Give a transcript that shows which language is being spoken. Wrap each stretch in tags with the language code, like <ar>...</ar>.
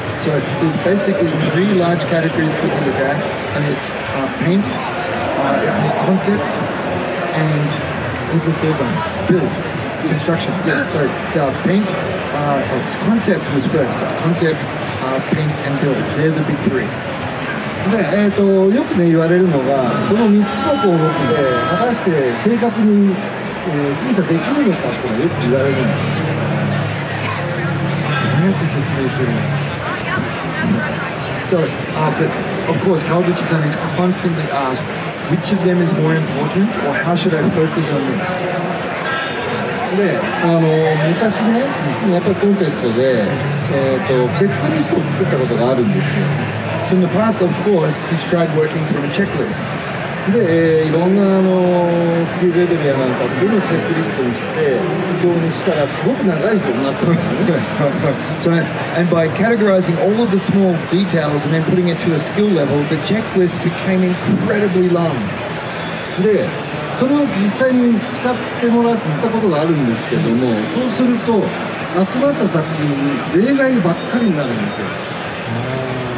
<en>So there's basically three large categories that we look at, and it's paint, concept, and what's the third one? Build, construction. Yeah, so it's paint, concept was first. Concept, paint, and build. They're the big three.</en> <ja>で、よくね言われるのが、その3つの項目で果たして正確に、審査できるのかってよく言われるんです。どうやって説明するの？</ja> <en>So, but of course, Kawaguchi-san is constantly asked, which of them is more important, or how should I focus on this?</en> <ja>で、昔ね、やっぱりコンテストで、チェックリストを作ったことがあるんですよ。</ja> <en>So in the past, of course, he's tried working from a checklist.</en> <ja>で、いろんなスキルレベルやなんかっていうのをチェックリストにして、運用にしたらすごく長いことになってますね。</ja> <en>So, and by categorizing all of the small details and then putting it to a skill level, the checklist became incredibly long.</en> <ja>で、それを実際に使ってもらったことがあるんですけども、そうすると集まった作品に例外ばっかりになるんですよ。</ja>